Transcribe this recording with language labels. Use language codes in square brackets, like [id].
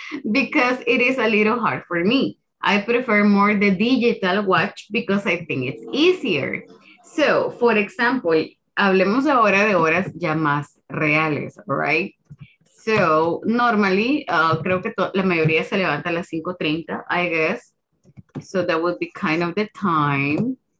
[en] Because it is a little hard for me. I prefer more the digital watch because I think it's easier. So, for example, [es] hablemos ahora de horas ya más reales, [en] right? So, normally, [es] creo que la mayoría se levanta a las 5:30, [en] I guess. So, that would be kind of the time.